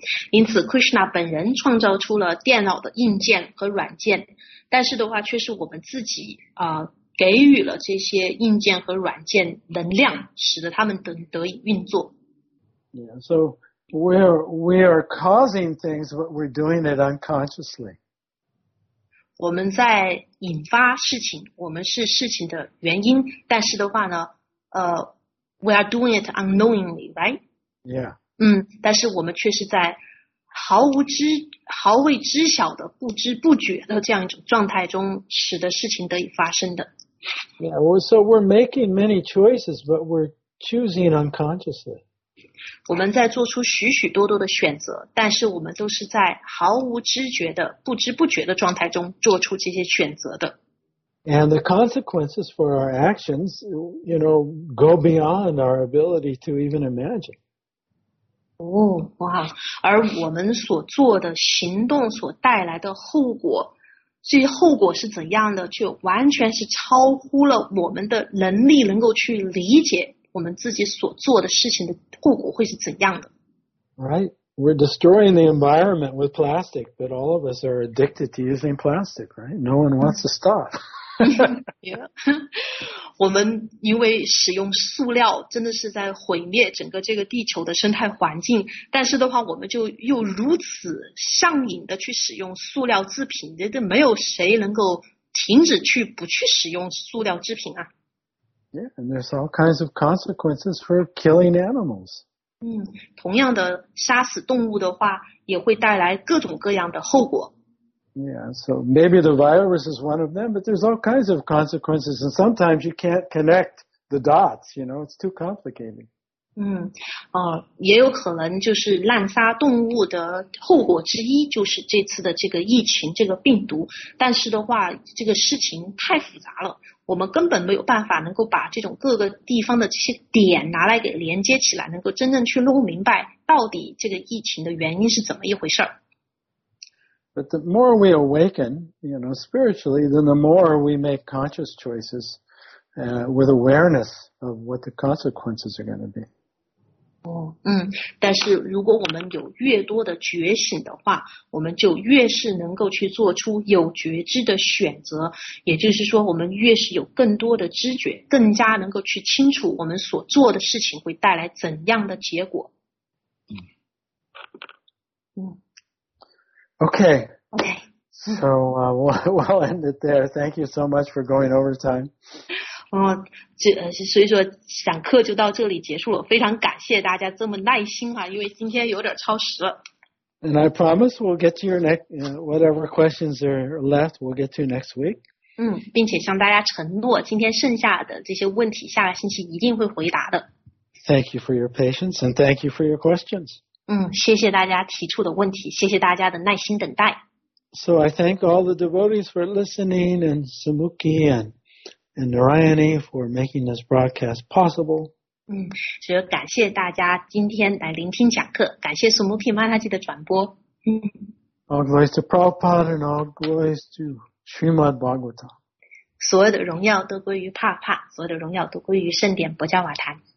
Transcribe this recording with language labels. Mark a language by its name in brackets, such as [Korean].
[Chinese] 因此 Krishna 本人创造出了电脑的硬件和软件，但是的话却是我们自己给予了这些硬件和软件能量，使得他们得以运作。 [English] Yeah, so we are causing things, but we're doing it unconsciously. [Chinese] 我们在引发事情，我们是事情的原因，但是的话呢 [English] we are doing it unknowingly, right? Yeah. [Chinese] 但是我们却是在毫未知晓的不知不觉的这样一种状态中使得事情得以发生的。 [English] Yeah, so we're making many choices, but we're choosing unconsciously. [Chinese] 我们在做出许许多多的选择，但是我们都是在毫无知觉的不知不觉的状态中做出这些选择的。 [English] And the consequences for our actions, you know, go beyond our ability to even imagine. [Chinese] 哦，哇，而我们所做的行动所带来的后果，这些后果是怎样的，却完全是超乎了我们的能力能够去理解我们自己所做的事情的后果会是怎样的。 [English] Right, we're destroying the environment with plastic, but all of us are addicted to using plastic, right? No one wants to stop. Yeah. [Chinese] 我们因为使用塑料真的是在毁灭整个这个地球的生态环境，但是的话我们就又如此上瘾的去使用塑料制品，这都没有谁能够停止去不去使用塑料制品啊。 [English] Yeah, and there's all kinds of consequences for killing animals. [Chinese] 同样的杀死动物的话也会带来各种各样的后果。 [English] Yeah, so maybe the virus is one of them, but there's all kinds of consequences, and sometimes you can't connect the dots, you know, it's too complicated. [Chinese] 也有可能就是滥杀动物的后果之一就是这次的这个疫情，这个病毒，但是的话，这个事情太复杂了，我们根本没有办法能够把这种各个地方的这些点拿来给连接起来，能够真正去弄明白到底这个疫情的原因是怎么一回事儿。 [English] But the more we awaken, you know, spiritually, then the more we make conscious choices, with awareness of what the consequences are going to be. [Chinese] 但是如果我们有越多的觉醒的话，我们就越是能够去做出有觉知的选择，也就是说我们越是有更多的知觉，更加能够去清楚我们所做的事情会带来怎样的结果。 [English] Okay. Okay. So, we'll end it there. Thank you so much for going over time. [Chinese] 所以说讲课就到这里结束了。非常感谢大家这么耐心啊，因为今天有点超时了。 [English] And I promise we'll get to your next, whatever questions are left, we'll get to next week. [Chinese] 并且向大家承诺今天剩下的这些问题下个星期一定会回答的。 [English] Thank you for your patience and thank you for your questions. [Chinese] 谢谢大家提出的问题，谢谢大家的耐心等待。 [English] So I thank all the devotees for listening and Sumukhi and Narayani for making this broadcast possible. [Chinese] 所以感谢大家今天来聆听讲课，感谢 Sumukhi Mataji 的转播。 [English] All glories to Prabhupada and all glories to Srimad Bhagavatam. [Chinese] 所有的荣耀都归于帕帕，所有的荣耀都归于圣典博迦瓦坛。